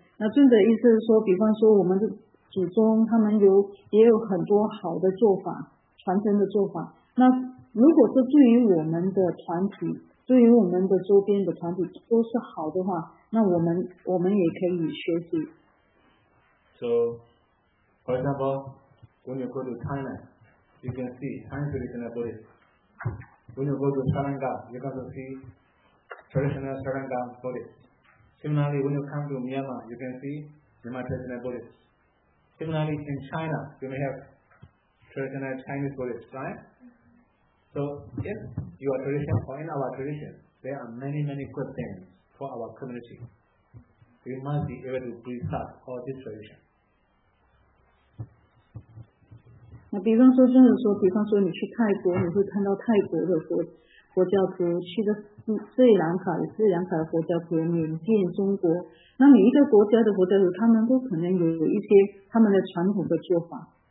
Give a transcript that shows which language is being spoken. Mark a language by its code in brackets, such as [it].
[zh] 那尊者意思是说，比方说我们的祖宗，他们有也有很多好的做法，传承的做法。那如果是对于我们的团体，对于我们的周边的团体都是好的话，那我们也可以学习。 [en] So, for example, when you go to China, you can see Chinese traditional Buddhist. When you go to Sri Lanka, you can see traditional Sri Lanka Buddhist. Similarly, when you come to Myanmar, you can see Myanmar traditional Buddhist. Similarly, in China, you may have traditional Chinese Buddhist, right? So, if your tradition or in our tradition, there are many, many good things for our community. We must be able to preserve all this tradition. [zh] 那比方说，真的说，比方说你去泰国，你会看到泰国的佛教徒；去的斯里兰卡，斯里兰卡的佛教徒；缅甸、中国，那每一个国家的佛教徒，他们都可能有一些他们的传统的做法。